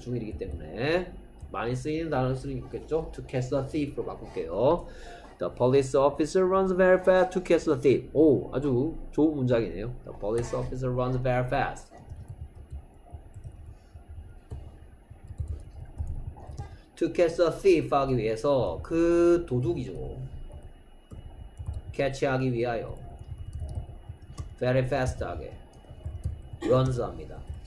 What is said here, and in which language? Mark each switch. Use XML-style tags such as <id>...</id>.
<ko>중1이기 때문에 많이 쓰이는 단어를 쓰는 게 좋겠죠.</ko> <en>To catch the thief로</en> <ko>바꿀게요.</ko> <en>The police officer runs very fast to catch the thief.</en> <ko>오, 아주 좋은 문장이네요.</ko> <en>The police officer runs very fast. 'To catch the thief'</en> <ko>하기 위해서 그 도둑이죠. 캐치하기 위하여 very fast하게 runs합니다.</ko>